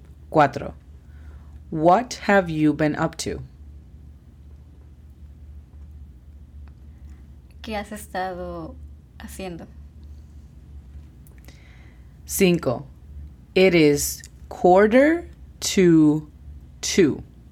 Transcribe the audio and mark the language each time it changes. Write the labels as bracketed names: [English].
[English] Cuatro, what have you been up to? [Spanish] ¿Qué has estado haciendo? [English] Cinco, it is quarter to two.